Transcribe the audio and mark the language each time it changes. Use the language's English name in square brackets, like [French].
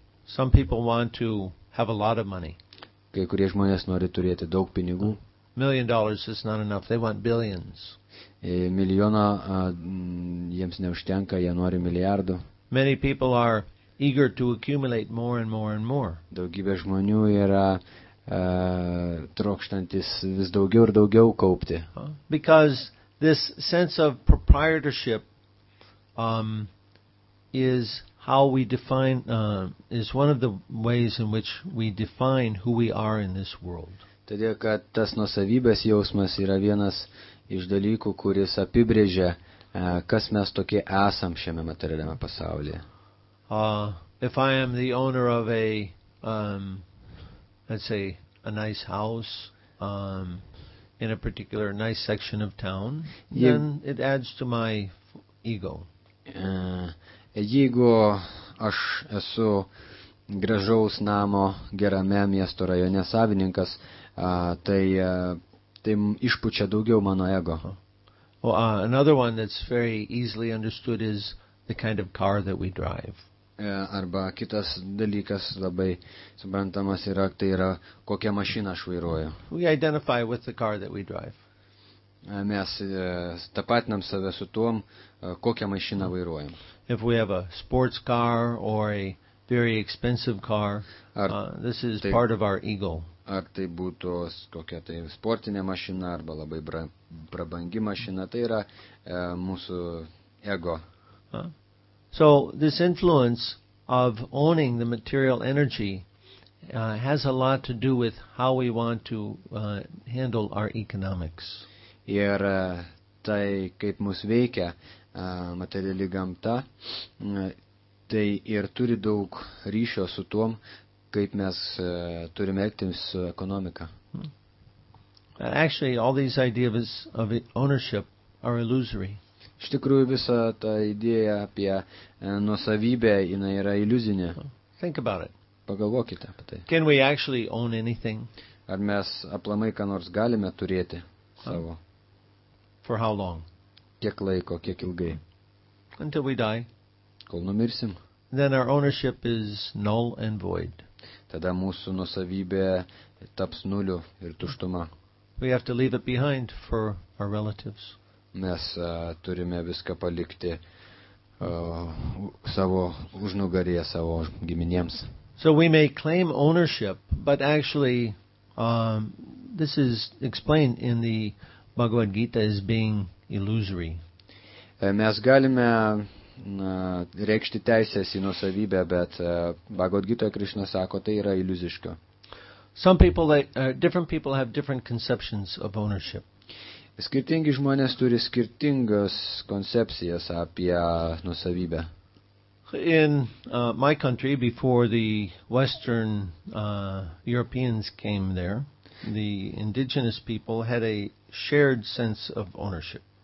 [English] Some people want to have a lot of money. [Lithuanian] Kai kurie žmonės nori turėti daug pinigų. [English] $1 million is not enough. They want billions. [Lithuanian] Milijoną jiems neužtenka, jie nori milijardų. [English] Many people are eager to accumulate more and more and more. [Lithuanian] Daugybė žmonių yra trokštantis vis daugiau ir daugiau kaupti. [English] Because this sense of proprietorship is how we define is one of the ways in which we define who we are in this world. [Lithuanian] Todėl, kad tas nuosavybės jausmas yra vienas iš dalykų, kuris apibrėžia, kas mes tokie esam šiame materialiame pasaulyje. [English] If I am the owner of a let's say a nice house in a particular nice section of town, then it adds to my ego. [Lithuanian] Jeigu aš esu gražaus namo gerame miesto rajone savininkas, tai išpučia daugiau mano ego. [English] Another one that's very easily understood is the kind of car that we drive. [Lithuanian] Arba kitas dalykas labai suprantamas yra, tai yra, kokią mašiną aš vairuoju. [English] We identify with the car that we drive. [Lithuanian] Mes tapatinam save su tuom, kokią mašiną vairuojam. [English] If we have a sports car or a very expensive car, this is [Lithuanian] tai, [English] part of our ego. [Lithuanian] Ar tai būtų kokia tai sportinė mašina arba labai prabangi mašina, tai yra mūsų ego. [English] So this influence of owning the material energy has a lot to do with how we want to handle our economics. [Lithuanian] Ir tai, kaip mus veikia materiali gamta, tai ir turi daug ryšio su tuom, kaip mes turime elgtis su ekonomika. [English] Actually, all these ideas of ownership are illusory. [Lithuanian] Iš tikrųjų, visa ta idėja apie nuosavybę, jinai yra iliuzinė. [English] Think about it. [Lithuanian] Pagalvokite apie tai. [English] Can we actually own anything? [Lithuanian] Ar mes aplamai ką nors galime turėti savo? [English] For how long? [Lithuanian] Kiek laiko, kiek ilgai? [English] Until we die. [Lithuanian] Kol numirsim. [English] Then our ownership is null and void. [Lithuanian] Tada mūsų nuosavybė taps nuliu ir tuštuma. [English] We have to leave it behind for our relatives. [Lithuanian] Mes turime viską palikti savo užnugaryje, savo giminėms. [English] So we may claim ownership, but actually this is explained in the Bhagavad Gita as being illusory. [Lithuanian] Mes galime reikšti teisės į nuosavybę, bet Bhagavad Gita Krishna sako, tai yra iliuziška. [English] Some people, different people have different conceptions of ownership. [Lithuanian] Skirtingi žmonės turi skirtingas koncepcijas apie nuosavybę. [English] In my country, before the Western Europeans came there, the indigenous people had a shared sense of ownership.